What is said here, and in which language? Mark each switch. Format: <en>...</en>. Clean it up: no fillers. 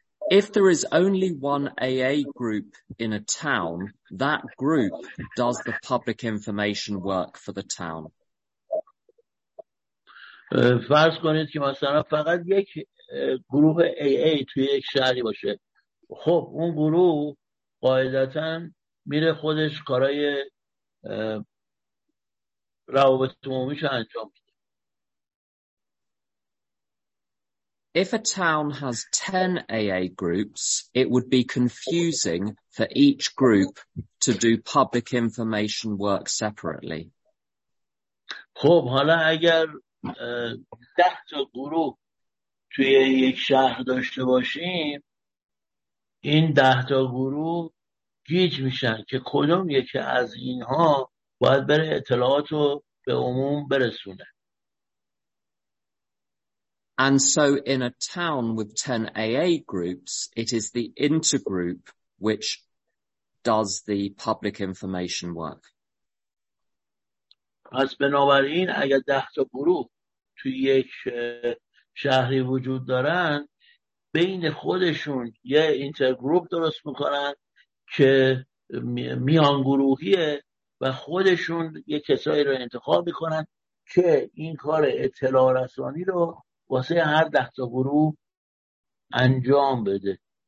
<en>If there is only one AA group in a town, that group does the public information work for the town.</en> <fa>فرض کنید که مثلا فقط یک گروه AA توی یک شهری باشه. خب اون گروه قاعدتا میره خودش کارهای روابط عمومیش انجام میده.</fa> <en>If a town has 10 AA groups, it would be confusing for each group to do public information work separately.</en> <fa>خب حالا اگر 10 تا گروه توی یک شهر داشته باشیم، این 10 تا گروه گیج میشن که کدوم یکی از اینها باید بره اطلاعات رو به عموم برسونه.</fa> <en>And so in a town with 10 AA groups, it is the intergroup which does the public information work.</en> <fa>پس بنابراین اگر 10 تا گروه توی یک شهری وجود دارن، بین خودشون یه اینترگروپ درست میکنن که میان گروهیه و خودشون یه کسایی رو انتخاب میکنن که این کار اطلاع رسانی رو واسه هر 10 تا گروه انجام بده.</fa>